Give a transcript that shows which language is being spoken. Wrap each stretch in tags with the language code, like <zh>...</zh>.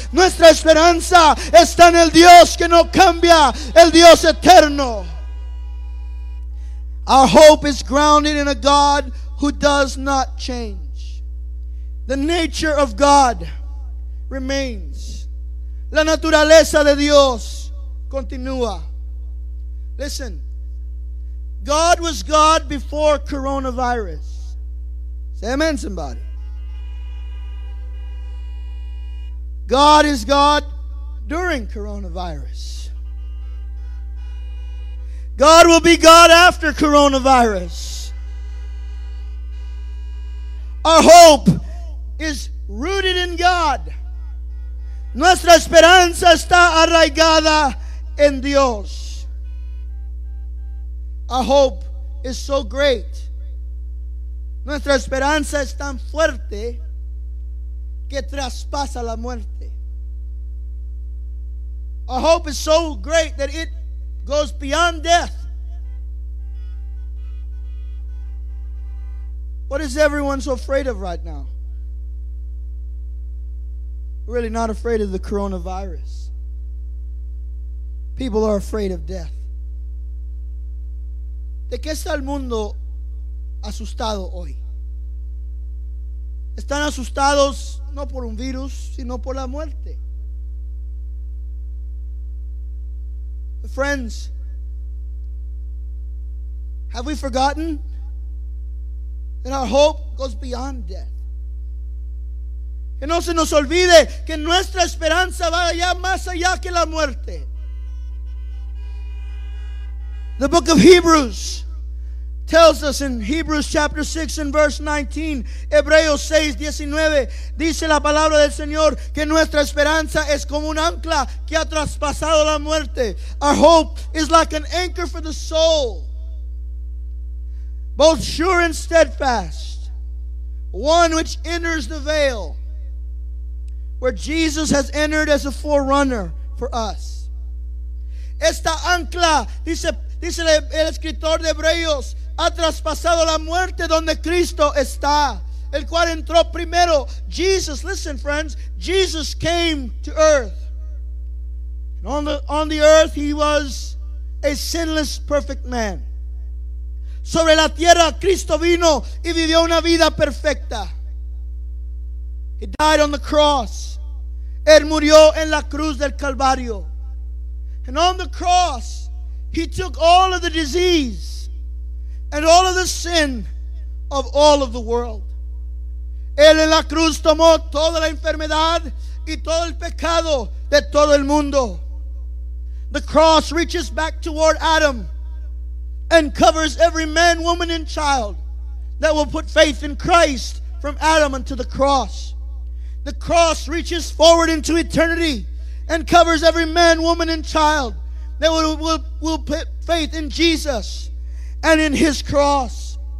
<es>Nuestra esperanza está en el Dios que no cambia, el Dios eterno.</es> <en>Our hope is grounded in a God who does not change. The nature of God remains.</en> <es>La naturaleza de Dios continúa.</es> <en>Listen, God was God before coronavirus. Say amen, somebody. God is God during coronavirus. God will be God after coronavirus. Our hope is rooted in God.</en> <es>Nuestra esperanza está arraigada en Dios.</es> <en>Our hope is so great.</en> <es>Nuestra esperanza es tan fuerte que traspasa la muerte.</es> <en>Our hope is so great that it goes beyond death. What is everyone so afraid of right now? Really not afraid of the coronavirus. People are afraid of death.</en> <es>¿De qué está el mundo asustado hoy? Están asustados no por un virus, sino por la muerte.</es> <en>Friends, have we forgotten that our hope goes beyond death?</en> <es>Que no se nos olvide que nuestra esperanza va allá más allá que la muerte.</es> <en>The book of Hebrews tells us in Hebrews chapter 6 and verse 19,</en> <es>Hebreos 6, 19, dice la palabra del Señor que nuestra esperanza es como un ancla que ha traspasado la muerte.</es> <en>Our hope is like an anchor for the soul, both sure and steadfast, one which enters the veil, where Jesus has entered as a forerunner for us.</en> <es>Esta ancla, dice el escritor de Hebreos, ha traspasado la muerte donde Cristo está, el cual entró primero.</es> <en>Jesus, listen friends, Jesus came to earth. And on the earth he was a sinless perfect man.</en> <es>Sobre la tierra Cristo vino y vivió una vida perfecta.</es> <en>He died on the cross.</en> <es>Él murió en la cruz del Calvario.</es> <en>And on the cross he took all of the disease and all of the sin of all of the world.</en> <es>Él en la cruz tomó toda la enfermedad y todo el pecado de todo el mundo.</es> <en>The cross reaches back toward Adam and covers every man, woman, and child that will put faith in Christ from Adam unto the cross. The cross reaches forward into eternity and covers every man, woman, and child that will put faith in Jesus and in his cross.</en>